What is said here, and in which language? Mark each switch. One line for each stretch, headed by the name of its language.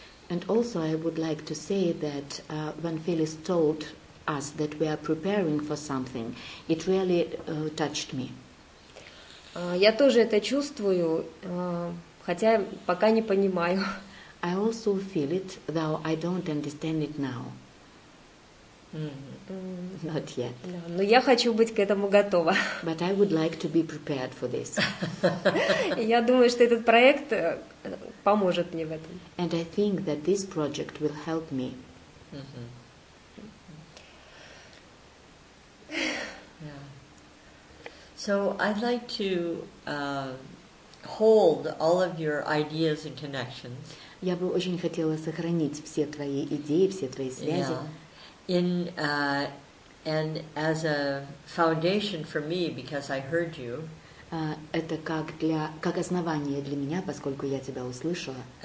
English: And also I would like to say that when Филис told us that we are preparing for something, it really touched me.
Russian: Я тоже это чувствую, хотя пока не понимаю.
English: I also feel it, though I don't understand it now. Not yet.
Russian: Да, но я хочу быть к этому готова.
English: But I would like to be prepared for this.
Russian: Я думаю, что этот проект поможет мне в этом.
English: And I think that this project will help me. So I'd like to hold all of your ideas and connections.
Russian: Я бы очень хотела сохранить все твои идеи, все твои связи.
English: Yeah. In And as a foundation for me, because I heard you,
Russian: это как основание для меня, поскольку я тебя услышала.